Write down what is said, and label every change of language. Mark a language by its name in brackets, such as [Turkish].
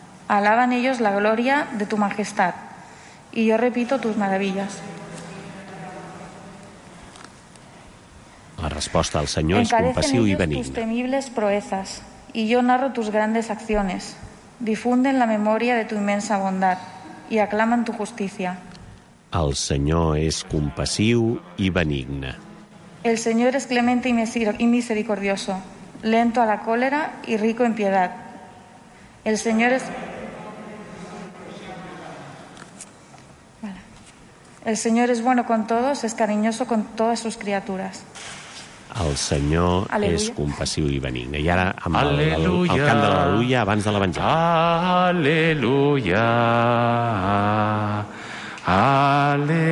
[Spanish] Alaban ellos la gloria de tu majestad y yo repito tus maravillas. [Catalan] La resposta del Senyor és compassiu i benigna. [Spanish] Encarecen ellos tus temibles proezas, y yo narro tus grandes acciones. Difunden la memoria de tu inmensa bondad, y aclaman tu justicia. [Catalan] El Senyor és compassiu i benigne. [Spanish] El Señor es clemente y misericordioso, lento a la cólera y rico en piedad. El Señor es... El Señor es bueno con todos, es cariñoso con todas sus criaturas. [Catalan] El Senyor és compassiu i benigne. I ara, amb el cant de l'Aleluia abans de l'Evangeli. Aleluia, aleluia.